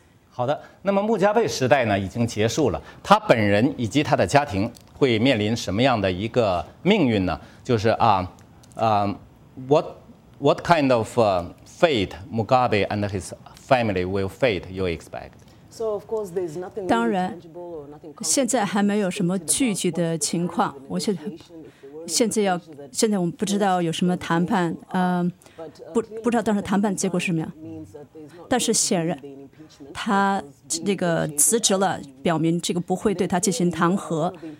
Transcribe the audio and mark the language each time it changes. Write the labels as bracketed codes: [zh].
[zh] 好的，那么穆加贝时代呢已经结束了，他本人以及他的家庭会面临什么样的一个命运呢？ [en] 就是what kind of fate Mugabe and his family will fate you expect? So of course there's nothing. [zh] 当然，现在还没有什么具体的情况。现在我们不知道有什么谈判，不知道当时谈判结果是什么样。但是显然，他这个辞职了，表明这个不会对他进行弹劾。